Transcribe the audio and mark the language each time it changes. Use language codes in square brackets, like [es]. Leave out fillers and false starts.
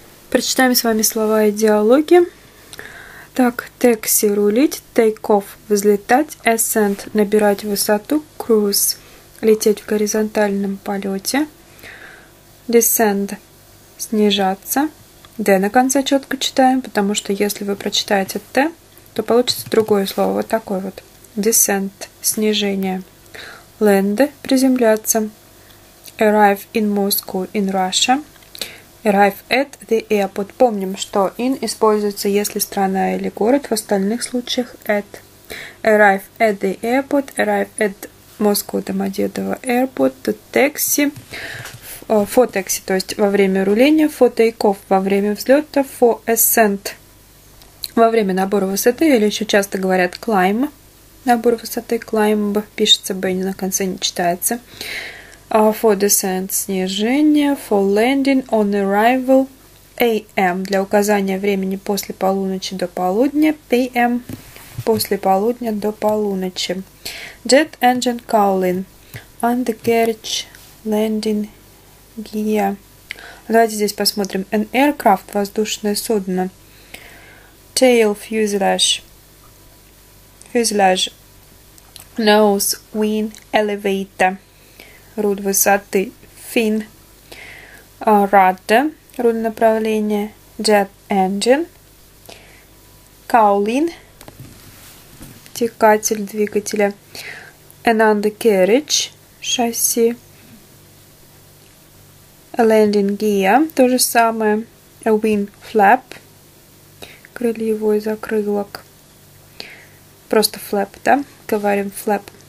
[ru] Прочитаем с вами слова и диалоги. Так, taxi – рулить, take off – взлетать, ascent – набирать высоту, cruise – лететь в горизонтальном полете, descend – снижаться. D на конце четко читаем, потому что если вы прочитаете T, то получится другое слово, вот такое вот. Descent – снижение. Land – приземляться. [en] Arrive in Moscow in Russia. Arrive at the airport. [ru] Помним, что in используется, если страна или город, в остальных случаях at. [en] Arrive at the airport. Arrive at Moscow Домодедово airport. To taxi. For taxi, [ru] то есть во время руления. [en] For take-off, [ru] во время взлета. [en] For ascent, [ru] во время набора высоты. Или еще часто говорят climb. Набор высоты. Climb пишется, бэнни на конце не читается. [en] For descent – снижение, for landing – on arrival – a.m. [ru] Для указания времени после полуночи до полудня – p.m. После полудня до полуночи. [en] Jet engine cowling – undercarriage landing gear. [ru] Давайте здесь посмотрим. An aircraft – воздушное судно. [en] Tail fuselage – fuselage. Nose – wing – elevator. [ru] Руль высоты, fin, rudder, руль направления, jet engine, cowling, втекатель двигателя, an undercarriage, шасси, a landing gear, то же самое, a wing flap, крыльевой закрылок, просто flap, да, говорим flap.